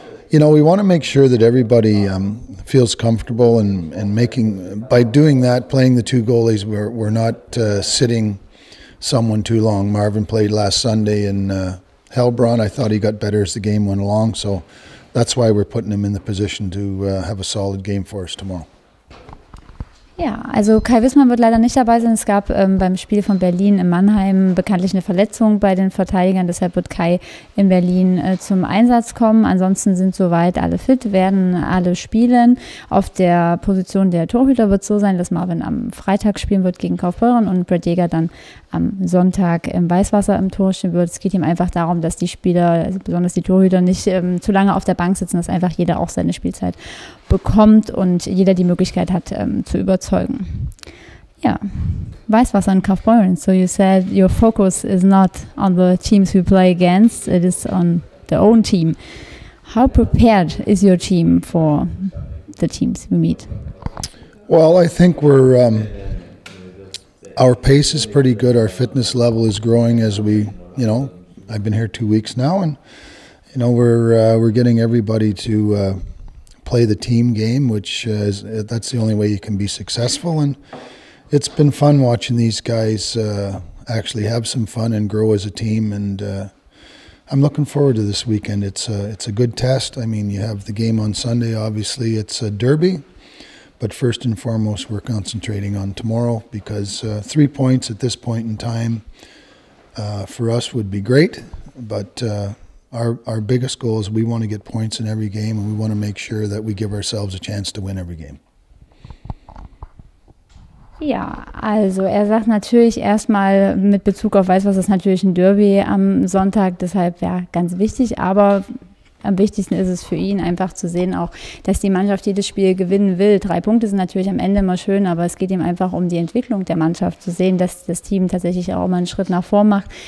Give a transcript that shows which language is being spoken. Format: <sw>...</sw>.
<en>You know, we want to make sure that everybody feels comfortable, and making by doing that, playing the two goalies, we're not sitting someone too long. Marvin played last Sunday in Heilbronn. I thought he got better as the game went along, so that's why we're putting him in the position to have a solid game for us tomorrow.</en> <de>Ja, also Kai Wiesmann wird leider nicht dabei sein. Es gab beim Spiel von Berlin in Mannheim bekanntlich eine Verletzung bei den Verteidigern. Deshalb wird Kai in Berlin zum Einsatz kommen. Ansonsten sind soweit alle fit, werden alle spielen. Auf der Position der Torhüter wird es so sein, dass Marvin am Freitag spielen wird gegen Kaufbeuren und Brett Jäger dann am Sonntag im Weißwasser im Tor stehen wird. Es geht ihm einfach darum, dass die Spieler, also besonders die Torhüter, nicht zu lange auf der Bank sitzen, dass einfach jeder auch seine Spielzeit bekommt und jeder die Möglichkeit hat, zu überzeugen. Ja, Weißwasser in Kaufbeuren.</de> <en>So you said your focus is not on the teams we play against, it is on the own team. How prepared is your team for the teams we meet? Well, I think we're... Our pace is pretty good. Our fitness level is growing as we, you know, I've been here 2 weeks now, and you know we're getting everybody to play the team game, which is, that's the only way you can be successful. And it's been fun watching these guys actually have some fun and grow as a team. And I'm looking forward to this weekend. It's a good test. I mean, you have the game on Sunday. Obviously, it's a derby. But first and foremost, we're concentrating on tomorrow, because 3 points at this point in time for us would be great. But our biggest goal is we want to get points in every game, and we want to make sure that we give ourselves a chance to win every game.</en> <de>Ja, also er sagt natürlich erstmal mit Bezug auf Weißwasser, das ist natürlich ein Derby am Sonntag, deshalb ja ganz wichtig, aber am wichtigsten ist es für ihn einfach zu sehen, auch, dass die Mannschaft jedes Spiel gewinnen will. 3 Punkte sind natürlich am Ende immer schön, aber es geht ihm einfach um die Entwicklung der Mannschaft, zu sehen, dass das Team tatsächlich auch mal einen Schritt nach vorn macht.</de>